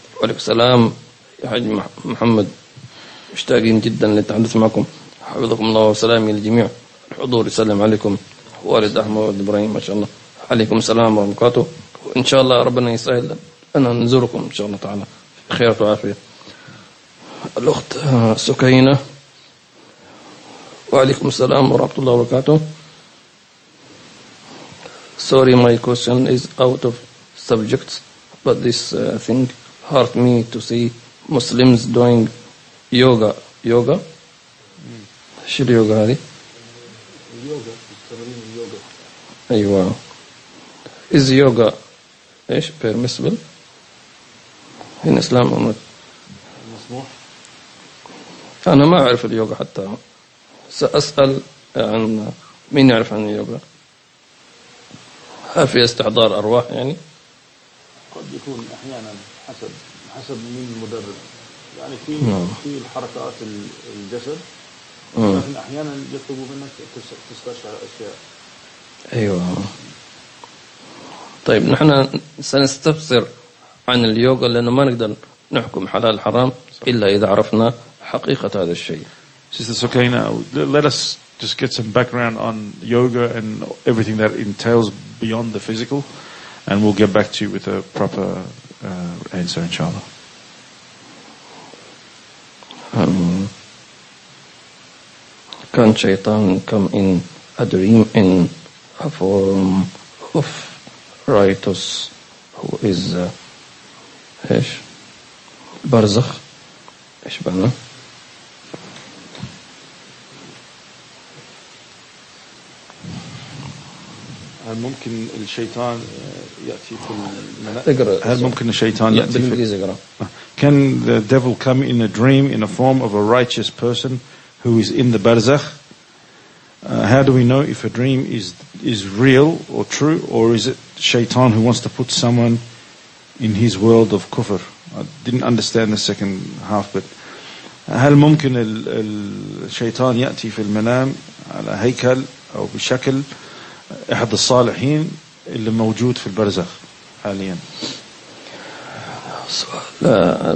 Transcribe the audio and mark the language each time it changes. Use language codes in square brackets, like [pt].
[ar] وعليكم السلام يا حاج محمد، مشتاقين جدا للتحدث معكم، حفظكم الله وسلامي للجميع الحضور، يسلم عليكم والد أحمد والد إبراهيم ما شاء الله، عليكم السلام ورحمة الله وبركاته. إن شاء الله ربنا يسهل أنا نزوركم إن شاء الله تعالى خير وعافية. الأخت سكينة وعليكم السلام ورحمة الله وبركاته. [en] Sorry my question is out of subject but this thing hurt me to see Muslims doing yoga. [ar] Yoga شو يوغا هذه؟ يوغا تمارين يوغا. أيوة. [en] Is yoga [ar] إيش [en] permissible in Islam or not؟ [ar] مسموح. أنا ما أعرف اليوغا حتى، سأسأل عن مين يعرف عن اليوغا؟ هل في استحضار أرواح يعني؟ قد يكون أحيانا حسب مين المدرب، يعني في الحركات الجسد، لكن أحيانا يطلبوا منك تستشعر أشياء. أيوة. طيب نحن سنستفسر عن اليوغا لأنه ما نقدر نحكم حلال حرام إلا إذا عرفنا حقيقة هذا الشيء. [en] Sister Sukaina, let us just get some background on yoga and everything that entails beyond the physical, and we'll get back to you with a proper answer, inshallah. Can Shaitan come in a dream in a form of righteous who is Ish Barzakh Ishbana? [ar] هل ممكن الشيطان يأتي في [en] Can the devil come in a dream in a form of a righteous person who is in the barzakh? How do we know if a dream is real or true, or is it shaitan who wants to put someone in his world of kufr? I didn't understand the second half, but [ar] هل ممكن الشيطان يأتي في المنام على هيكل أو بشكل أحد الصالحين اللي موجود في البرزخ حاليا؟ سؤال.